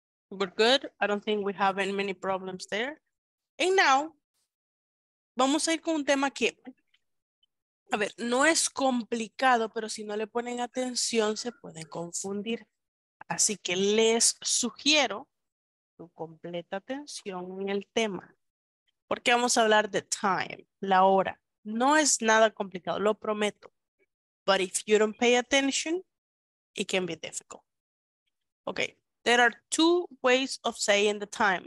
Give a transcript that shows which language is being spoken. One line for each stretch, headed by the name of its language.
English: We're good. I don't think we have any problems there. And now,
Spanish: vamos a ir con un tema que, a ver, no es complicado, pero si no le ponen atención se pueden confundir. Así que les sugiero su completa atención en el tema, porque vamos a hablar de time, la hora. No es nada complicado, lo prometo.
English: But if you don't pay attention, it can be difficult. Okay, there are two ways of saying the time.